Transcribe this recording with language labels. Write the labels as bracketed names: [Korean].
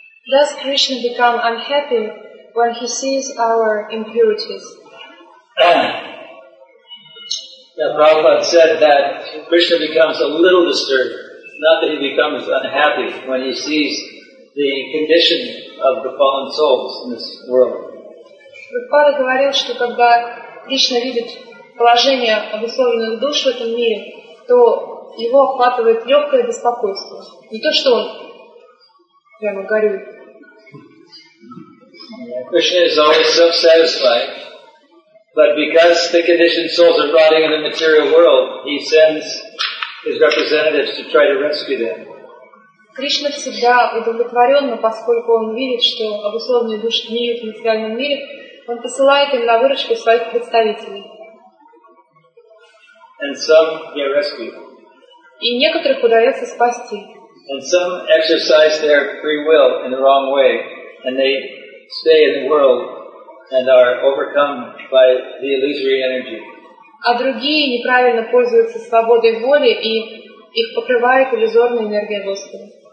[English] Does Krishna become unhappy when he sees our impurities? Yeah, Prabhupada said that Krishna becomes a little disturbed. Not that he becomes unhappy when he sees the condition of the fallen souls in this world. [Russian] Prabhupada говорил, что когда Кришна видит положение обусловленных душ в этом мире, то его охватывает легкое беспокойство. Не то, что он прямо горюет. [English] Krishna is always self-satisfied, but because the conditioned souls are rotting in the material world, he sends his representatives to try to rescue them. [Russian] Кришна всегда удовлетворен, но поскольку он видит, что обусловленные души гниют в материальном мире, он посылает им на выручку своих представителей. [English] And some get rescued. [Russian] И некоторых удается спасти. [English] And some exercise their free will in the wrong way, and they stay in the world and are overcome by the illusory energy. [Russian] А другие неправильно пользуются свободой воли, и их покрывает иллюзорная энергия Господа.